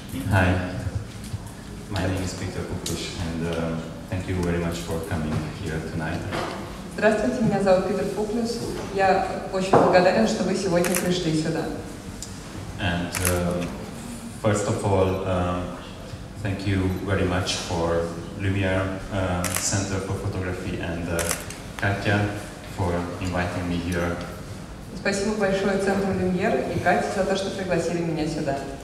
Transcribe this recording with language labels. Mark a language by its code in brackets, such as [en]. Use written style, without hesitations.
[en] Hi, my name is Peter Pupus and thank you very much for coming here tonight. [ru] Здравствуйте, меня зовут Питер Пупус. Я очень благодарен, что вы сегодня пришли сюда. [en] And first of all, thank you very much for Lumière Center for Photography and Katya for inviting me here. [ru] Спасибо большое Центру Люмьер и Кате за то, что пригласили меня сюда.